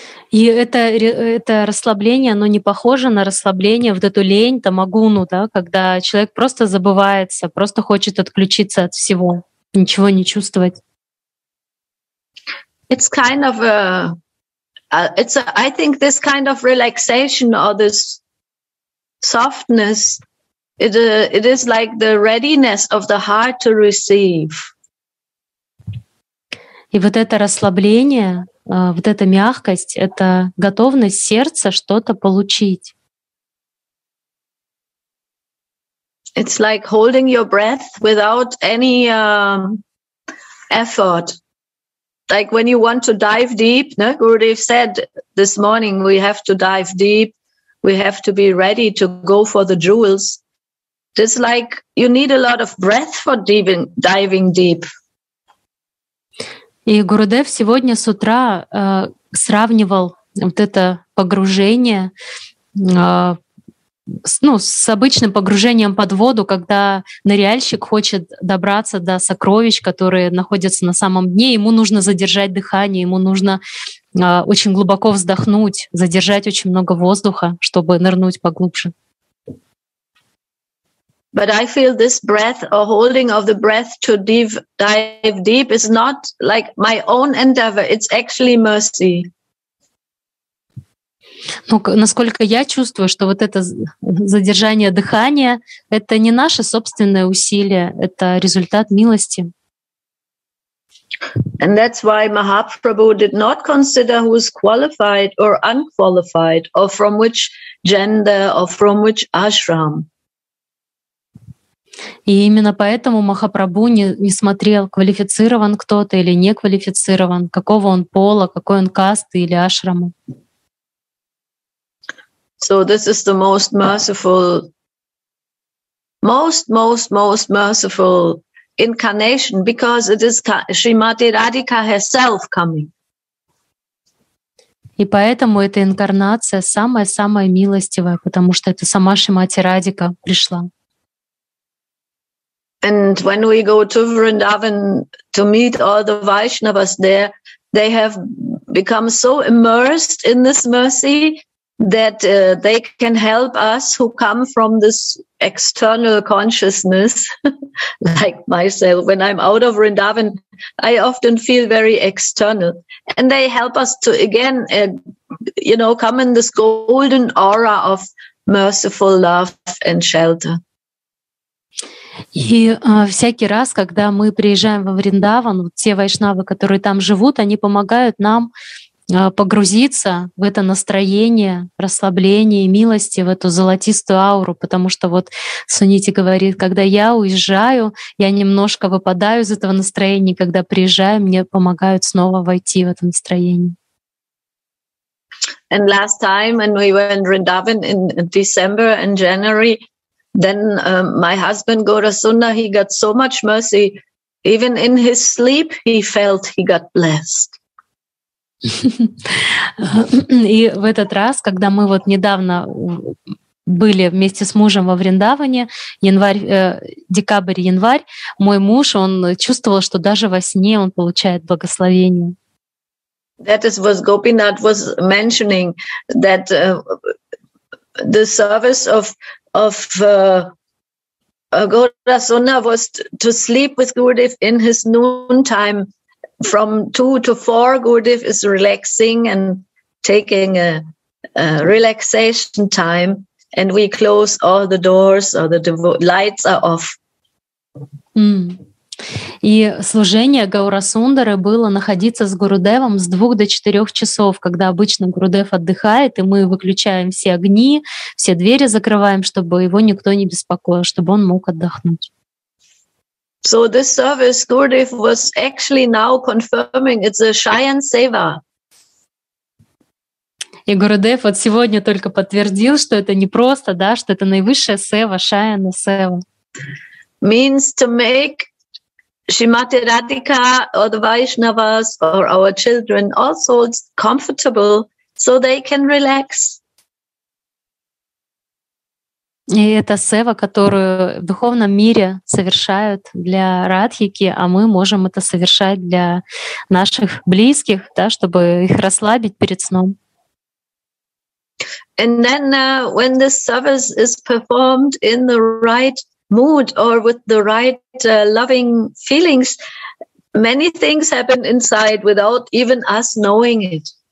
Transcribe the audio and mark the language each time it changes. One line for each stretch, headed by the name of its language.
Russian: И это расслабление, оно не похоже на расслабление, вот эту лень, тамагуну, да, когда человек просто забывается, просто хочет отключиться от всего, ничего не чувствовать.
English: It's kind of I think this kind of relaxation or this softness, it is like the readiness of the heart to receive.
Russian: И вот это расслабление, вот эта мягкость, это готовность сердца что-то получить.
English: It's like holding your breath without any effort. Like when you want to dive deep, no? Gurudev said this morning, we have to dive deep, we have to be ready to go for the jewels. It's like you need a lot of breath for diving deep.
Russian: И Гурудев сегодня с утра сравнивал вот это погружение с обычным погружением под воду, когда ныряльщик хочет добраться до сокровищ, которые находятся на самом дне, ему нужно задержать дыхание, ему нужно очень глубоко вздохнуть, задержать очень много воздуха, чтобы нырнуть поглубже.
English: But I feel this breath or holding of the breath to dive deep is not like my own endeavor. It's actually mercy.
Russian: Ну, насколько я чувствую, что вот это задержание дыхания — это не наше собственное усилие, это результат милости.
English: And that's why Mahaprabhu did not consider who is qualified or unqualified or from which gender or from which ashram.
Russian: И именно поэтому Махапрабху не смотрел, квалифицирован кто-то или не квалифицирован, какого он пола, какой он касты или ашрама.
English: So this is the most merciful, most merciful incarnation, because it is Srimati Radhika herself coming.
Russian: И поэтому эта инкарнация самая-самая милостивая, потому что это сама Шримати Радика пришла.
English: And when we go to Vrindavan to meet all the Vaishnavas there, they have become so immersed in this mercy that they can help us who come from this external consciousness, like myself. When I'm out of Vrindavan, I often feel very external. And they help us to, again, you know, come in this golden aura of merciful love and shelter.
Russian: И всякий раз, когда мы приезжаем во Вриндаван, вот те вайшнавы, которые там живут, они помогают нам погрузиться в это настроение расслабления и милости, в эту золотистую ауру, потому что вот Суните говорит, когда я уезжаю, я немножко выпадаю из этого настроения, когда приезжаю, мне помогают снова войти в это настроение.
English: And last time, when we were in Vrindavan in December and January, then my husband Gaurasundar, he got so much mercy, even in his sleep, he felt he got blessed.
Russian: И в этот раз, когда мы вот недавно были вместе с мужем во Вриндаване, декабрь-январь, мой муж, он чувствовал, что даже во сне он получает благословение.
English: That is what Gopinath was mentioning, that the service of Gaurasundar was to sleep with Gurudev in his noontime. From 2 to 4, Gurudev is relaxing and taking a relaxation time, and we close all the doors or the lights are off. Mm.
Russian: И служение Гаурасундары было находиться с Гурудевом с 2 до 4 часов, когда обычно Гурудев отдыхает, и мы выключаем все огни, все двери закрываем, чтобы его никто не беспокоил, чтобы он мог отдохнуть.
English: So this service Gurudev was actually now confirming it's a Shayan Seva.
Russian: И Гурудев вот сегодня только подтвердил, что это не просто, да, что это наивысшая сева, Шаяна сева.
English: Means to make Shrimati Radhika or the Vaishnavas or our children also comfortable so they can relax.
Russian: И это сева, которую в духовном мире совершают для Радхики, а мы можем это совершать для наших близких, да, чтобы их расслабить перед сном.
English: And then when this service is performed in the right mood or with the right loving feelings, many things happen inside without even us knowing it.